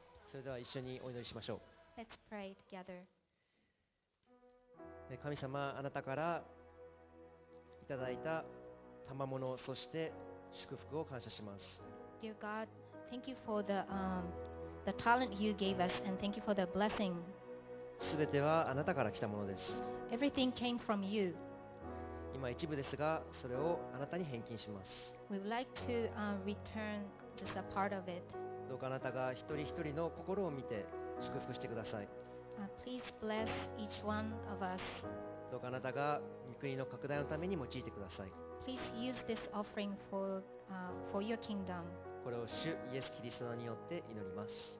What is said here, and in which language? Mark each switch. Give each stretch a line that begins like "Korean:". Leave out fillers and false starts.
Japanese: それでは一緒にお祈りしましょう。
English: Let's pray together.
Japanese: 神様、あなたからいただいた賜物、そして祝福を感謝します。
English: Dear God, thank you for the talent you gave us, and thank you for the blessing.
Japanese: すべてはあなたから来たものです。
English: Everything came from you.
Japanese: 今一部ですが、それをあなたに返金します。
English: We would like to return just a part of it.
Japanese: どうかあなたが一人一人の心を見て祝福してください。
English: Please bless each one of us.
Japanese: どうかあなたが御国の拡大のために用いてください。
English: Please use this offering for your kingdom.
Japanese: これを主イエスキリストによって祈ります。